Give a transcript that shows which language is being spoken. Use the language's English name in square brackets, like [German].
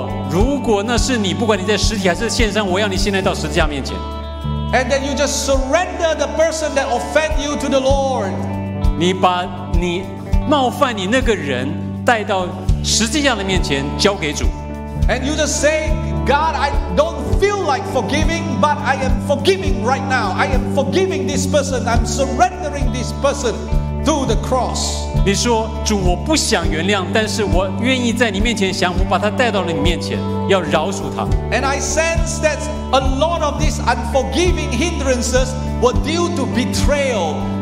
[Chinese] 如果那是你，不管你在实体还是线上，我要你现在到十字架面前。 [English] And then you just surrender the person that offend you to the Lord. [Chinese] 你把你冒犯你那个人带到十字架的面前交给主。 [English] And you just say, God, I don't feel like forgiving, but I am forgiving right now. I am forgiving this person. I'm surrendering this person. Through the cross, [Chinese] 你说主，我不想原谅，但是我愿意在你面前降服，把他带到了你面前，要饶恕他。 [English] And I sense that a lot of these unforgiving hindrances were due to betrayal.